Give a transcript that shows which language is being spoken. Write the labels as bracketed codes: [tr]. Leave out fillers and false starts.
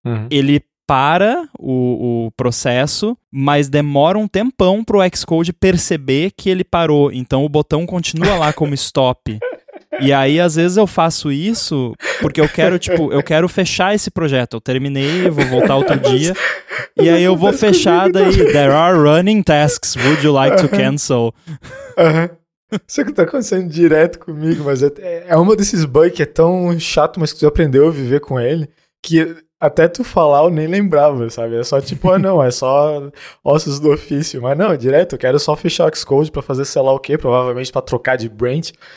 [pt] Ele para o processo, mas demora um tempão pro Xcode perceber que ele parou. Então o botão continua lá como stop. E aí, às vezes, eu faço isso porque eu quero, tipo, eu quero fechar esse projeto. Eu terminei, vou voltar outro dia. E aí eu vou fechar daí. [en] There are running tasks. Would you like to cancel? [pt] Isso que tá acontecendo direto comigo, mas é um desses bugs que é tão chato, mas que tu aprendeu a viver com ele, que até tu falar eu nem lembrava, sabe? É só tipo, ah não, é só ossos do ofício. Mas não, direto, eu quero só fechar o Xcode pra fazer sei lá o quê, provavelmente pra trocar de branch.